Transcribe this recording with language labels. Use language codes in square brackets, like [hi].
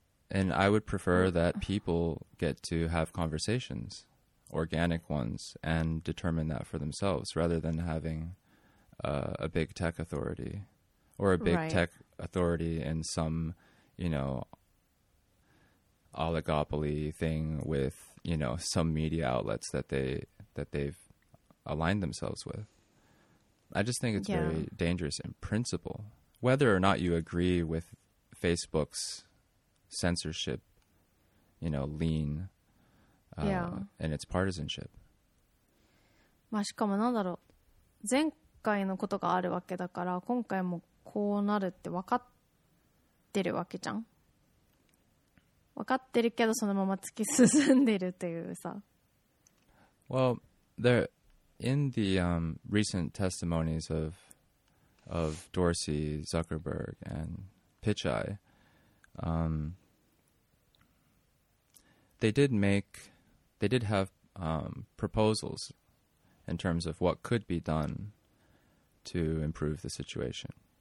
[en] And I would prefer that people get to have conversations, organic ones, and determine that for themselves rather than having a big tech authority or a big tech authority in some, you know, oligopoly thing with, you know, some media outlets that they've aligned themselves with. I just think it's very dangerous in principle. Whether or not you agree with Facebook's censorship, you know, lean, and its partisanship. [ja] まあ、しかもなんだろう。前回のことがあるわけだから、今回もこうなるって分かってるわけじゃん。分かってるけど、そのまま突き進んでるというさ。 [en] Well, there... In the recent testimonies of Dorsey, Zuckerberg, and Pichai, they did have proposals in terms of what could be done to improve the situation.